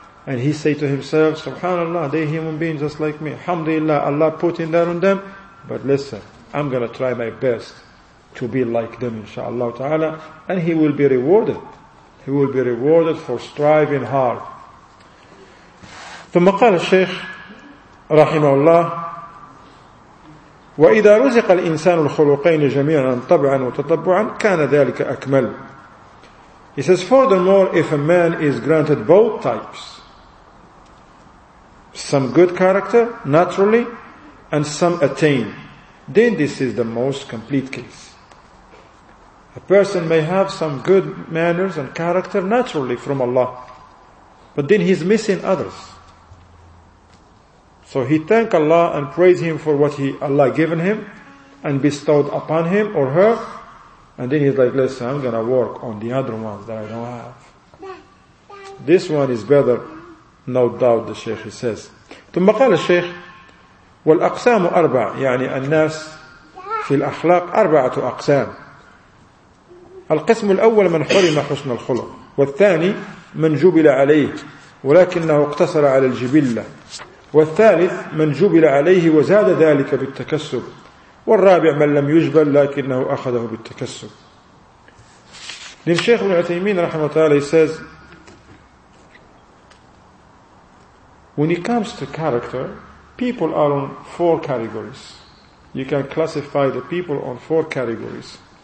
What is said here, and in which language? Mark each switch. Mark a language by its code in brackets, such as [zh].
[en] And he say to himself, SubhanAllah, they human beings just like me. Alhamdulillah, Allah putting that on them. But listen, I'm going to try my best to be like them, inshaAllah ta'ala. And he will be rewarded. He will be rewarded for striving hard. [ar] ثم قال الشيخ رحمه الله وإذا رزق الإنسان الخلقين جميعا طبعا وتطبعا كان ذلك أكمل. [en] He says, furthermore, if a man is granted both types, some good character naturally and some attained, then this is the most complete case. A person may have some good manners and character naturally from Allah, but then he's missing others. So he thank Allah and praise Him for what Allah given him and bestowed upon him or her. And then he's like, listen, I'm going to work on the other ones that I don't have. This one is better, no doubt, the Shaykh, he says. [ar] ثم قال الشيخ والأقسام أربع يعني الناس في الأخلاق أربعة أقسام. القسم الأول من حرم حسن الخلق، والثاني من جبل عليه ولكنه اقتصر على الجبلة، والثالث من جبل عليه وزاد ذلك بالتكسب، والرابع من لم يجبل لكنه أخذه بالتكسب. للشيخ ابن عثيمين رحمه الله [en] says, when it comes to character, people are on four categories. You can classify the people on four categories.